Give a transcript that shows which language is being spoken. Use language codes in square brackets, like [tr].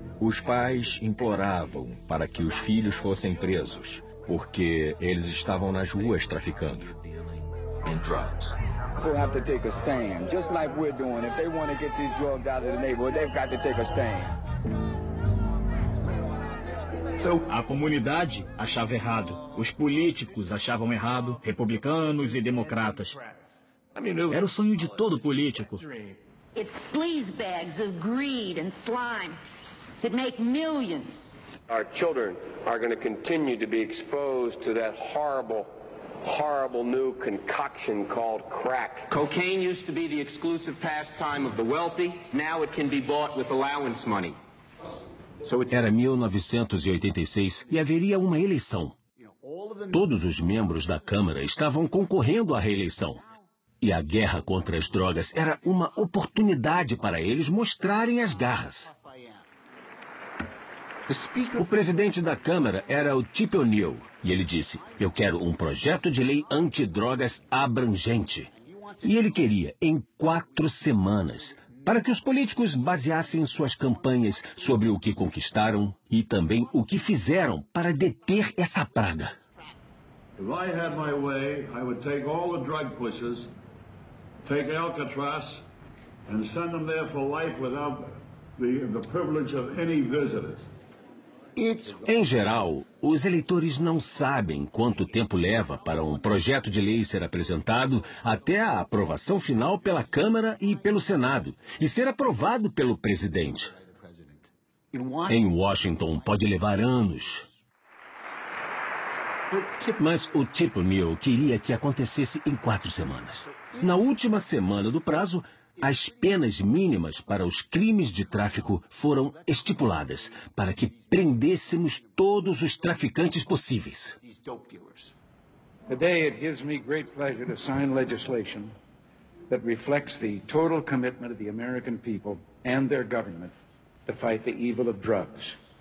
[pt] Os pais imploravam para que os filhos fossem presos, porque eles estavam nas ruas traficando. [en] People have to take a stand, just like we're doing. If they want to get these drugs out of the neighborhood, they've got to take a stand. [pt] So, a comunidade achava errado. Os políticos achavam errado, republicanos e democratas. Era o sonho de todo político. [en] It's sleaze bags of greed and slime that make millions. Our children are going to continue to be exposed to that horrible new concoction called crack. Cocaine used to be the exclusive pastime of the wealthy. Now it can be bought with allowance money. [pt] Era 1986 e haveria uma eleição. Todos os membros da Câmara estavam concorrendo à reeleição. E a guerra contra as drogas era uma oportunidade para eles mostrarem as garras. O presidente da Câmara era o Chip O'Neill. E ele disse: eu quero um projeto de lei antidrogas abrangente. E ele queria, em 4 semanas, para que os políticos baseassem suas campanhas sobre o que conquistaram e também o que fizeram para deter essa praga. [en] If I had my way, I would take all the drug pushers, take Alcatraz, and send them there for life without the privilege of any visitors. [pt] Em geral, os eleitores não sabem quanto tempo leva para um projeto de lei ser apresentado até a aprovação final pela Câmara e pelo Senado, e ser aprovado pelo presidente. Em Washington, pode levar anos. Mas o Chip O'Neill queria que acontecesse em 4 semanas. Na última semana do prazo, as penas mínimas para os crimes de tráfico foram estipuladas para que prendêssemos todos os traficantes possíveis. [en] Today it gives me great pleasure to sign legislation that reflects the total commitment of the American people and their government to fight the evil of drugs.